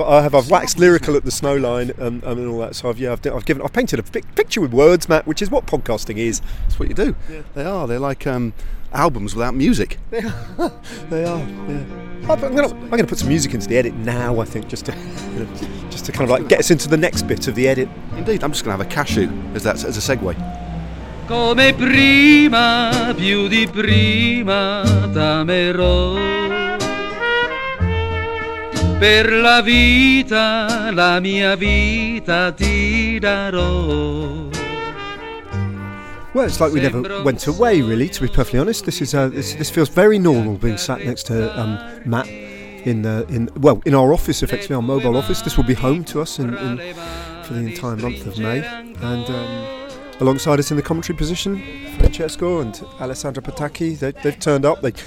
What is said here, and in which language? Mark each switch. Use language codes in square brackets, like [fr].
[en] I've waxed lyrical at the snow line and all that. So I've painted a picture with words, Matt, which is what podcasting is. That's what you do. Yeah. They are. They're like albums without music. They are. Yeah. I'm gonna put some music into the edit now. I think just to kind of like get us into the next bit of the edit. Indeed, I'm just going to have a cashew as a segue. [it] Come prima, più di prima, t'amerò. Per la vita, la mia vita ti darò. [en] Well, it's like we never went away, really, to be perfectly honest. This feels very normal, being sat next to Matt. In our office, effectively our mobile office. This will be home to us in for the entire month of May. And alongside us in the commentary position, Francesco and Alessandra Pataki. They've turned up.